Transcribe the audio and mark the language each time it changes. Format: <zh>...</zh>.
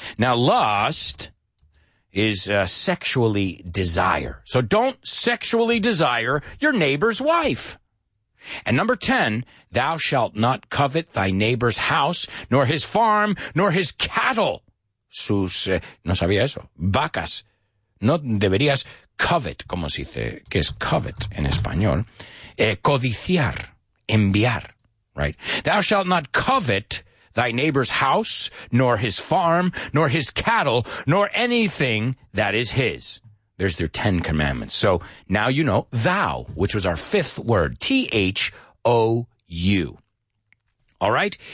<en>Now, lust is sexually desire. So don't sexually desire your neighbor's wife. And number 10, thou shalt not covet thy neighbor's house, nor his farm, nor his cattle.</en> <es>Sus, no sabía eso, vacas. No deberías covet, como se dice, que es covet en español. Codiciar, enviar, right?</es> <en>Thou shalt not covet thy neighbor's house, nor his farm, nor his cattle, nor anything that is his. There's their Ten Commandments. So now you know thou, which was our fifth word, T-H-O-U. All right?</en>